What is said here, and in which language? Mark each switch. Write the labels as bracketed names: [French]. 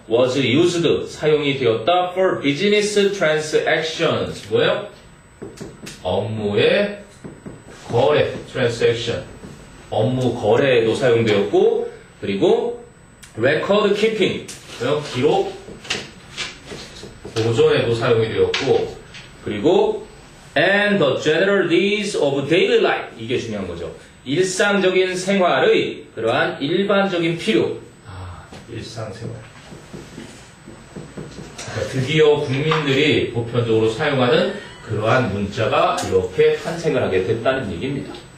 [English] Was used [Korean] 사용이 되었다 [English] for business transactions. 뭐요? [Korean] 업무의 거래 transaction. 업무 거래에도 사용되었고 그리고 [English] record keeping [Korean] 뭐요? 기록 보존에도 사용이 되었고 그리고 [English] And the general needs of daily life. [Korean] 이게 중요한 거죠. 일상적인 생활의 그러한 일반적인 필요. 아, 일상생활. 드디어 국민들이 보편적으로 사용하는 그러한 문자가 이렇게 탄생을 하게 됐다는 얘기입니다.